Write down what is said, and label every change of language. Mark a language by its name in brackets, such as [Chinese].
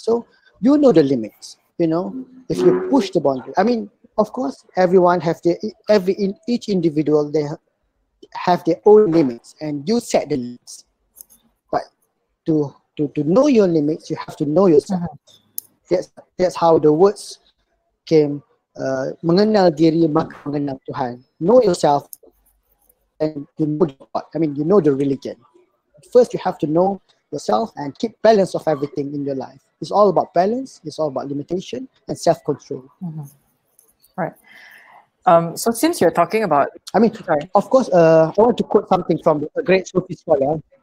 [English] So you know the limits, you know, if you push the boundary. I mean, of course, everyone have their, every in each individual, they have their own limits and you set the limits. But to know your limits, you have to know yourself. Mm-hmm. That's how the words came. [Malay] Mengenal diri, maka mengenal Tuhan. [English] Know yourself and you know God. I mean, you know the religion. First, you have to know yourself and keep balance of everything in your life. It's all about balance, it's all about limitation and self-control. Mm-hmm. Right. So since you're talking about... I mean, sorry. Of course, I want to quote something from a great Sufi scholar.